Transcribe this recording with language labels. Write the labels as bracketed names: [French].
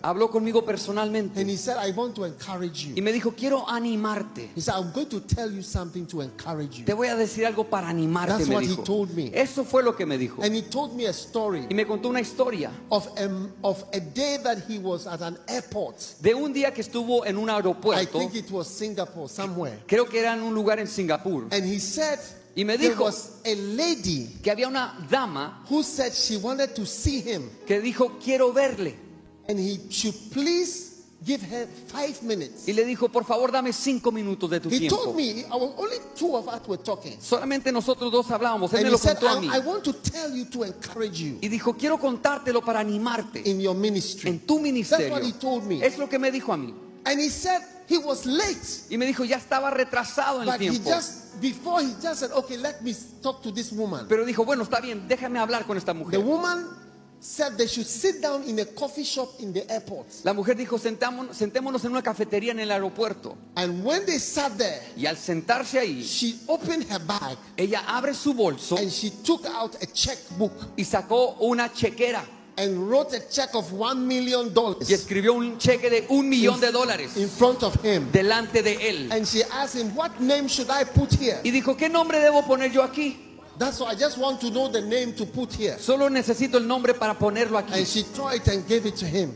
[Spanish] Habló conmigo personalmente. [English] And he said, I want to encourage you. [Spanish] Y me dijo, quiero animarte. [English] He said, I'm going to tell you something to encourage you. [Spanish] Te voy a decir algo para animarte. [English] That's [Spanish] me [English] what [Spanish] dijo. [English] He told me. [Spanish] Eso fue lo que me dijo. [English] And he told me a story. [Spanish] Y me contó una historia. [English] Of a day that he was at an airport. [Spanish] De un día que estuvo en un aeropuerto. [English] I think it was Singapore somewhere. [Spanish] Creo que era en un lugar en Singapur. [English] And he said, [Spanish] y me dijo, [English] there was a lady [Spanish] que había una dama [English] who said she wanted to see him. [Spanish] Que dijo, quiero verle. [English] And he should please give her 5 minutes. [Spanish] Y le dijo, por favor, dame 5 minutos de tu [English] he [Spanish] tiempo. [English] Told me, only two of us were talking. [Spanish] Solamente nosotros dos hablábamos. [English] And he [Spanish] me lo contó [English] said, [Spanish] a mí. [English] I want to tell you to encourage you. [Spanish] Y dijo, quiero contártelo para animarte. [English] In your ministry. [Spanish] En tu ministerio. [English] That's what he told me. [Spanish] Es lo que me dijo a mí. [English] And he said, he was late. [Spanish] Y me dijo, ya estaba retrasado en [English] but [Spanish] el tiempo. [English] He just, before he just said, okay, let me talk to this woman. [Spanish] Pero dijo, bueno, está bien, déjame hablar con esta mujer. [English] The woman said they should sit down in a coffee shop in the airport. [Spanish] La mujer dijo, sentémonos en una cafetería en el aeropuerto. [English] And when they sat there, [Spanish] y al sentarse ahí, [English] she opened her bag. [Spanish] Ella abre su bolso. [English] And she took out a checkbook. [Spanish] Y sacó una chequera. [English] And wrote a check of $1,000,000. [Spanish] Y escribió un cheque de $1,000,000. [English] In front of him. [Spanish] Delante de él. [English] And she asked him, "What name should I put here?" [Spanish] Y dijo, ¿qué nombre debo poner yo aquí? [English] That's why I just want to know the name to put here. [Spanish] Solo necesito el nombre para ponerlo aquí. [English] And she tried and gave it to him.